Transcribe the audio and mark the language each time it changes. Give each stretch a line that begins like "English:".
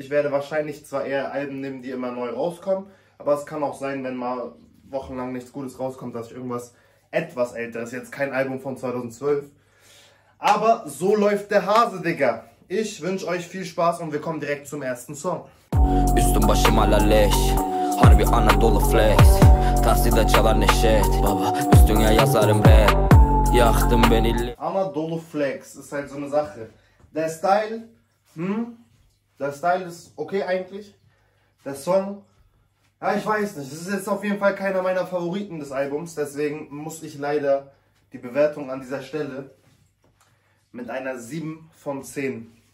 German: Ich werde wahrscheinlich zwar eher Alben nehmen, die immer neu rauskommen, aber es kann auch sein, wenn mal wochenlang nichts Gutes rauskommt, dass ich irgendwas etwas älteres, jetzt kein Album von 2012. Aber so läuft der Hase, Digga. Ich wünsche euch viel Spaß und wir kommen direkt zum ersten Song.
Turkish: Üstüm başım hala leş, harbi Anadolu flex, taside çalar neşet, baba üstüne yazarım rap, yaktım beni.
German: Anadolu flex ist halt so eine Sache. Der Style ist okay eigentlich. Der Song, ja, ich weiß nicht. Das ist jetzt auf jeden Fall keiner meiner Favoriten des Albums. Deswegen muss ich leider die Bewertung an dieser Stelle mit einer 7 von 10.